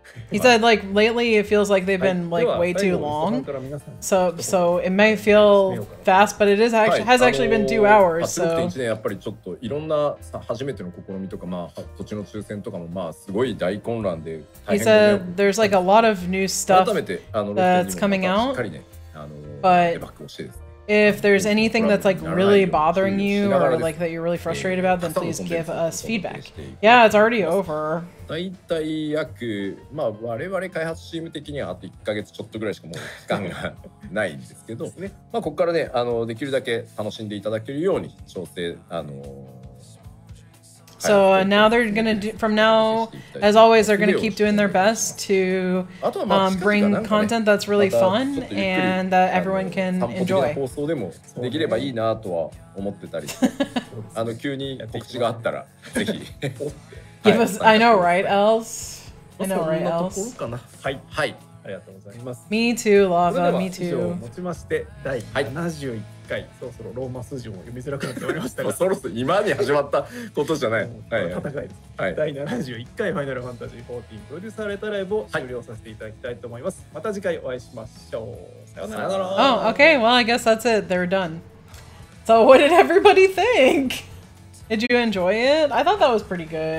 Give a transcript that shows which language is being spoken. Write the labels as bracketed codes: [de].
[en] He said like lately it feels like they've been like way too long. So it may feel fast, but it is actually has actually been 2 hours. So. [ja] やっぱりちょっといろんな初めての試みとかまあ土地の抽選とかもまあすごい大混乱で。 [en] He said there's like a lot of new stuff that's coming out. But. If there's anything that's like really bothering you or like that you're really frustrated about, then please give us feedback. Yeah, it's already over. [ja] だいたい約、まあ我々開発チーム的にはあと1ヶ月ちょっとぐらいしかもう期間がないんですけど、まあここからね、あのできるだけ楽しんでいただけるように調整、あの。 [en] So now they're gonna do. From now, as always, they're gonna keep doing their best to bring content that's really fun and that everyone can enjoy. [ja] 放送でもできればいいなとは思ってたり、あの急に告知があったらぜひ。 [en] Give us. I know, right, Els? I know, right, Els? [ja] はいはい。ありがとうございます。 [en] Me too, Lava. Me too. [ja] 以上をもちまして第71。そろそろローマ数字も読みづらくなっておりましたが、そろそろ今に始まったことじゃない。戦いです。第71回ファイナルファンタジー14プロデューサーレターライブを終了させていただきたいと思います。また次回お会いしましょう。さよなら。 [en] Oh, okay. Well, I guess that's it. They're done. So, what did everybody think? Did you enjoy it? I thought that was pretty good.